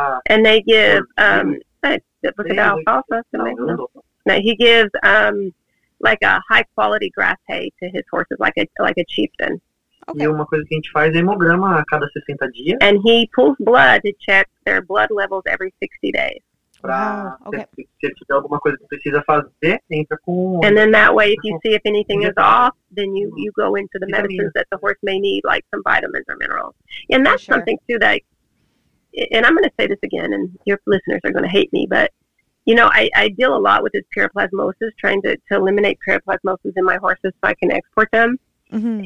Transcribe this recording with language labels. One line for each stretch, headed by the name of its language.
English: And they give, he gives like a high quality grass hay to his horses, like a chieftain.
Portuguese: Okay. E uma coisa que a gente faz é hemograma a cada 60 dias.
English: And he pulls blood to check their blood levels every 60 days.
Portuguese: Se tiver alguma coisa que precisa fazer, entra com...
English: And then that way, if you see if anything is off, then you go into the medicines that the horse may need, like some vitamins or minerals. And that's something too that, and I'm going to say this again, and your listeners are going to hate me, but you know, I deal a lot with this paraplasmosis, trying to eliminate paraplasmosis in my horses so I can export them. Mm-hmm.